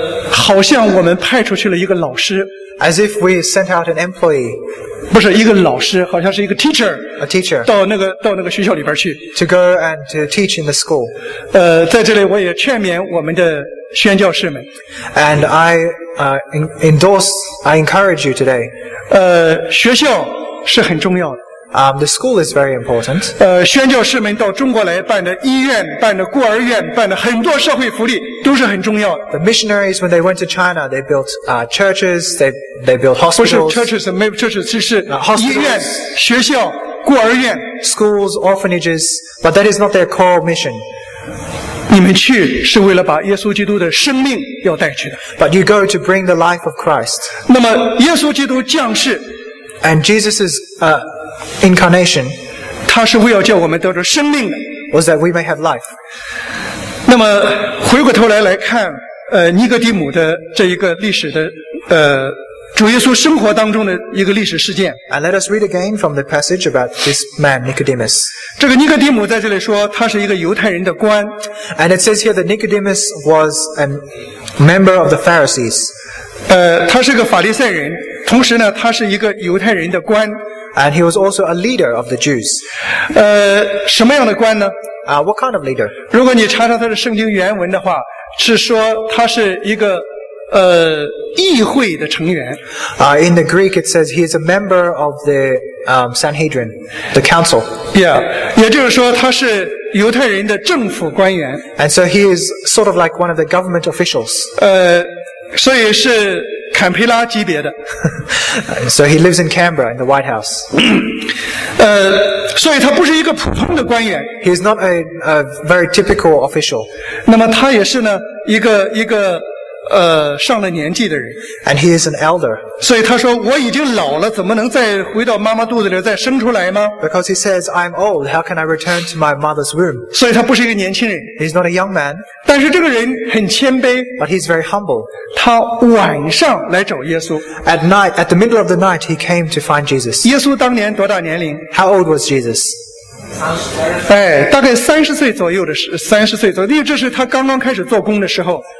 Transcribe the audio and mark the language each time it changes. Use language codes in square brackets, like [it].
[zh] 好像我们派出去了一个老师。 [en] As if we sent out an employee. [zh] 不是一个老师，好像是一个 teacher. [en] A teacher. [zh] 到那个学校里边去。 [en] To go and to teach in the school. [zh] 在这里我也劝勉我们的宣教士们。 [en] And I encourage you today. [zh] 学校是很重要的。 [en] The school is very important. [zh] 宣教士们到中国来办的医院、办的孤儿院、办的很多社会福利都是很重要的。 [en] The missionaries when they went to China, they built churches, they built hospitals. [zh] 不是 churches, 没有 churches, 只是 [en] hospitals, [zh] 医院、学校、孤儿院。 [en] Schools, orphanages, but that is not their core mission. [zh] 你们去是为了把耶稣基督的生命要带去的。 [en] But you go to bring the life of Christ. [zh] 那么耶稣基督降世 [en] and Jesus' incarnation, [zh] 他是为了叫我们得着生命的 [en] was that we may have life. [zh] 那么回过头来看尼哥底母的这一个历史的主耶稣生活当中的一个历史事件。 [en] And let us read again from the passage about this man, Nicodemus. [zh] 这个尼哥底母在这里说，他是一个犹太人的官。 [en] And it says here that Nicodemus was a member of the Pharisees. [zh] 他是个法利赛人，同时呢，他是一个犹太人的官。 [en] And he was also a leader of the Jews. [zh] 什么样的官呢？ [en] What kind of leader? [zh] 如果你查查他的圣经原文的话，是说他是一个议会的成员。 [en] In the Greek, it says he is a member of the Sanhedrin, the council. [zh] Yeah, 也就是说他是犹太人的政府官员。 [en] And so he is sort of like one of the government officials. [zh] 所以是坎培拉级别的。 [en] So he lives in Canberra in the White House. [zh] 所以他不是一个普通的官员。 [en] He is not a very typical official. [zh] 那么他也是呢一个。上了年纪的人。 [en] And he is an elder. [zh] 所以他说我已经老了，怎么能再回到妈妈肚子里再生出来吗？ [en] Because he says, I'm old, how can I return to my mother's womb? [zh] 所以他不是一个年轻人。 [en] He's not a young man. [zh] 但是这个人很谦卑。 [en] But he's very humble. [zh] 他晚上来找耶稣。 [en] At night, at the middle of the night, he came to find Jesus. [zh] 耶稣当年多大年龄？ [en] How old was Jesus? [zh] 大概30岁左右，因为这是他刚刚开始做工的时候。